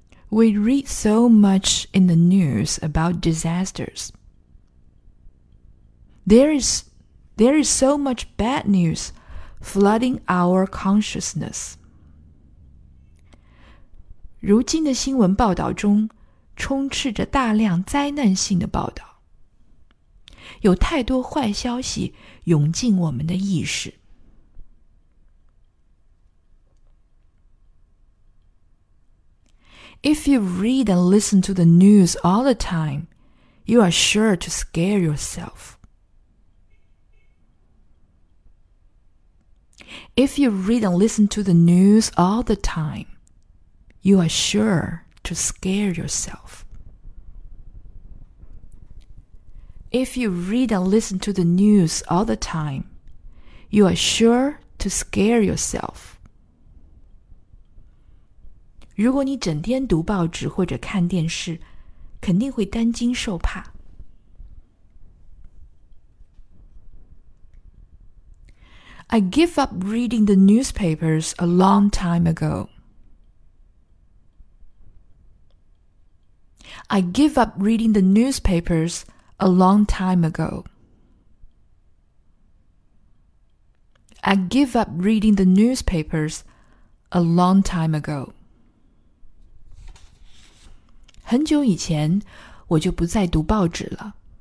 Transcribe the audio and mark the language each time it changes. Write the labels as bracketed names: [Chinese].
[English] We read so much in the news about disasters. There is so much bad news flooding our consciousness. [Chinese] 如今的新闻报道中充斥着大量灾难性的报道。有太多坏消息涌进我们的意识。 [English] If you read and listen to the news all the time, you are sure to scare yourself. If you read and listen to the news all the time, you are sure to scare yourself. If you read and listen to the news all the time, you are sure to scare yourself. [Chinese] 如果你整天读报纸或者看电视，肯定会担惊受怕。 [English] I give up reading the newspapers a long time ago. I give up reading the newspapers. A long time ago. I give up reading the newspapers a long time ago. [Chinese] 很久以前我就不再读报纸了。